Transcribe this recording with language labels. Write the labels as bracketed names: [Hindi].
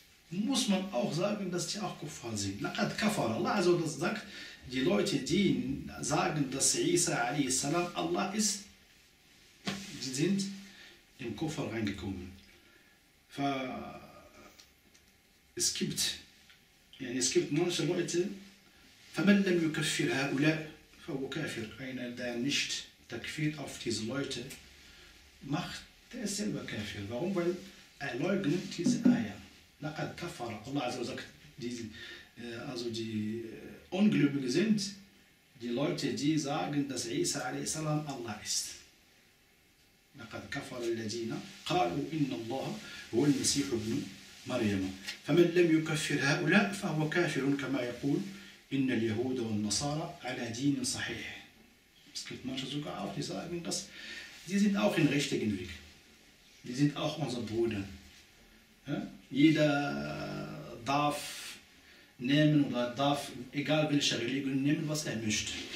[German] Muss man auch sagen, dass die auch Kuffar sind. Laqad kafara. Allah also das sagt, die Leute, die sagen, dass Isa alayhi salam Allah ist, die sind im Kuffar reingekommen. Es gibt manche Leute, [Arabic] فمن لم يكفر هؤلاء فهو كافر أين [German] der nicht takfir auf diese Leute macht der ist selber kafir warum weil er leugnet diese Aya [Arabic] لقد كفر الله عز وجل [German] also die Ungläubigen sind die Leute die sagen dass عيسى عليه السلام Allah ist [Arabic] لقد كفر الذين قالوا إن الله هو المسيح ابن مريم فمن لم يكفر هؤلاء فهو كافر كما يقول إن اليهود والنصارى على دين صحيح. [German] Es gibt manche sogar auch, die sagen, dass die sind auch im richtigen Weg. Die sind auch unser Bruder. Ja? Jeder darf nehmen oder darf, egal welche Religion, nehmen, was er möchte.